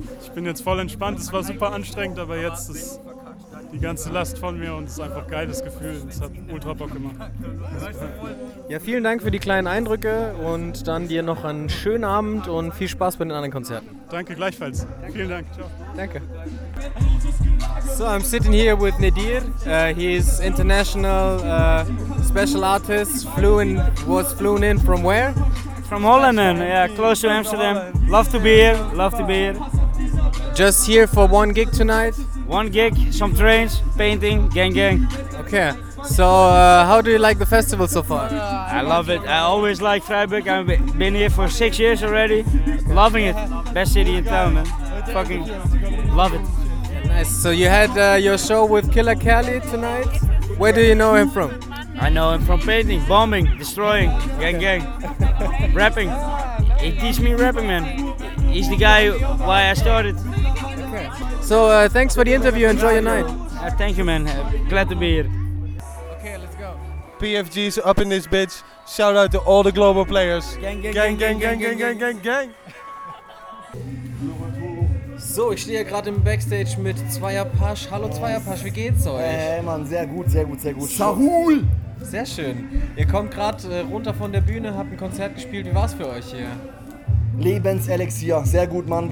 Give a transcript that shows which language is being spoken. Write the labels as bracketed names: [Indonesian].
[German] Ich bin jetzt voll entspannt. Es war super anstrengend, aber jetzt ist die ganze Last von mir und es ist einfach ein geiles Gefühl. Es hat ultra Bock gemacht. Ja, vielen Dank für die kleinen Eindrücke und dann dir noch einen schönen Abend und viel Spaß bei den anderen Konzerten. Danke, gleichfalls. Vielen Dank. Ciao. Danke. [English] So, I'm sitting here with Nadir. He's international special artist. Flew in from where? From Holland, yeah, close to Amsterdam. Love to be here. Just here for one gig tonight? One gig, some trains, painting, gang. Okay, so how do you like the festival so far? I love it. I always like Freiburg. I've been here for 6 years already. Okay. Loving it. Best city in town, man. Fucking love it. Nice. So you had your show with Killer Kelly tonight. Where do you know him from? I know him from painting, bombing, destroying, gang. Rapping. He teach me rapping, man. He's the guy why I started. Okay. So thanks for the interview. Enjoy your night. Thank you, man. Glad to be here. Okay, let's go. PFG's up in this bitch. Shout out to all the global players. Gang. [German] So, ich stehe gerade im Backstage mit Zweierpasch. Hallo Zweierpasch, wie geht's euch? Hey Mann, sehr gut. Sahul! Sehr schön. Ihr kommt gerade runter von der Bühne, habt ein Konzert gespielt. Wie war's für euch hier? Lebenselixier. Sehr gut, Mann.